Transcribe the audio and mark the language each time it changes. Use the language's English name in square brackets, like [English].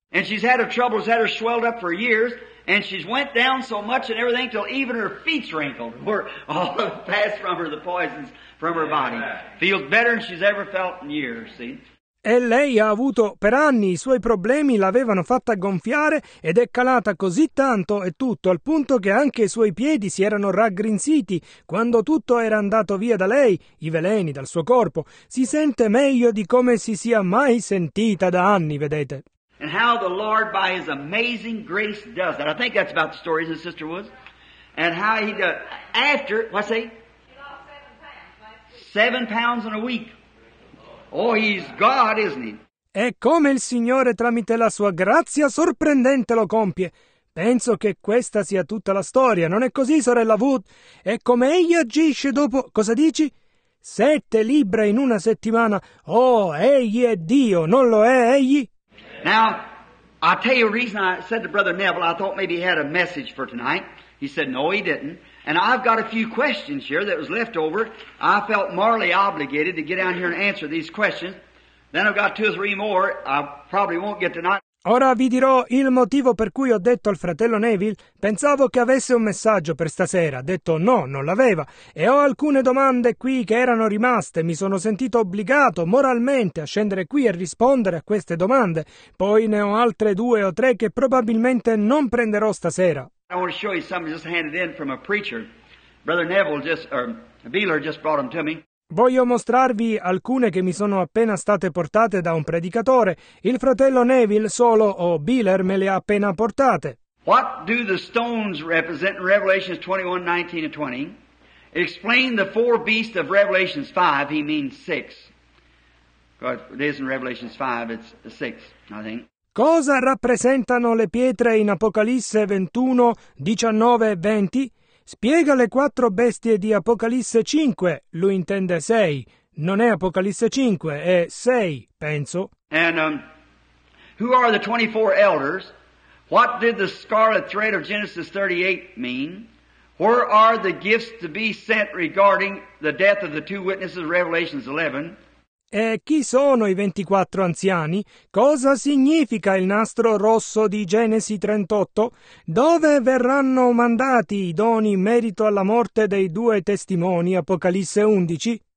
[English] And she's had her troubles that are swelled up for years. And she's went down so much and everything till even her feet's wrinkled where all of it passed from her, the poisons from her body. Feels better than she's ever felt in years, see? [Italian] E lei ha avuto per anni i suoi problemi, l'avevano fatta gonfiare ed è calata così tanto e tutto, al punto che anche i suoi piedi si erano raggrinziti quando tutto era andato via da lei, i veleni dal suo corpo. Si sente meglio di come si sia mai sentita da anni, vedete? [English] And how the Lord, by His amazing grace, does that. I think that's about the story, isn't it, Sister Woods? And how He does, after, what's he? She lost 7 pounds. 7 pounds in a week. Oh, He's God, isn't He? [Italian] E come il Signore, tramite la sua grazia sorprendente, lo compie. Penso che questa sia tutta la storia, non è così, sorella Wood? E come Egli agisce dopo, cosa dici? 7 libbra in una settimana. Oh, Egli è Dio, non lo è Egli? [English] Now, I'll tell you a reason I said to Brother Neville, I thought maybe he had a message for tonight. He said, no, he didn't. And I've got a few questions here that was left over. I felt morally obligated to get down here and answer these questions. Then I've got 2 or 3 more I probably won't get tonight. [Italian] Ora vi dirò il motivo per cui ho detto al fratello Neville, pensavo che avesse un messaggio per stasera, ha detto no, non l'aveva, e ho alcune domande qui che erano rimaste, mi sono sentito obbligato moralmente a scendere qui e rispondere a queste domande, poi ne ho altre 2 o 3 che probabilmente non prenderò stasera. [English] I want to show you something just handed in from a preacher, Brother Neville just, or Beeler just brought them to me. [Italian] Voglio mostrarvi alcune che mi sono appena state portate da un predicatore. Il fratello Neville solo o Beeler me le ha appena portate. [English] What do the stones represent in Revelations 21:19-20? Explain the 4 beasts of Revelations 5. He means 6. God, it is in Revelations 5. It's 6, I think. [Italian] Cosa rappresentano le pietre in Apocalisse 21:19-20? Spiega le 4 bestie di Apocalisse 5, lui intende 6, non è Apocalisse 5, è 6, penso. [English] And who are the 24 elders? What did the scarlet thread of Genesis 38 mean? Where are the gifts to be sent regarding the death of the 2 witnesses of Revelations 11? [Italian] E chi sono i 24 anziani? Cosa significa il nastro rosso di Genesi 38? Dove verranno mandati i doni in merito alla morte dei 2 testimoni, Apocalisse 11?